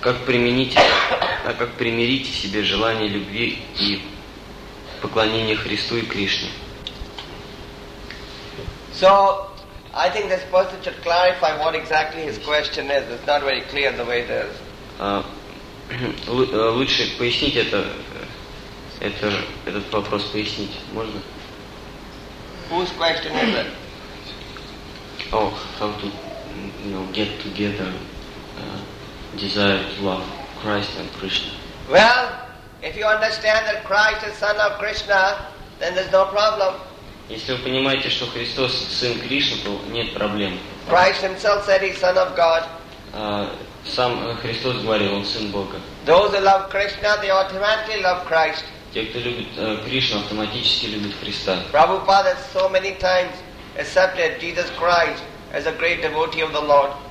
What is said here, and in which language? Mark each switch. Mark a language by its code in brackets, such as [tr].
[ru] Как применить, а как примирить в себе желание любви и поклонения Христу и Кришне? [en] So, I think this person should clarify what exactly his question is. It's not very clear the way it is. [ru] Лучше пояснить этот вопрос пояснить, можно? [en] Whose question is it? Oh, how to, you know, get together desire to love Christ and Krishna. Well, if you understand that Christ is son of Krishna, then there's no problem. [ru] Если вы понимаете, что Христос сын Кришны, то нет проблем. [en] Christ himself said he's son of God. [ru] Сам Христос говорил, он сын Бога. [en] Those who love Krishna, they automatically love Christ. [ru] Те, кто любит Кришну, автоматически любят Христа. [en] Prabhupada so many times accepted Jesus Christ as a great devotee of the Lord.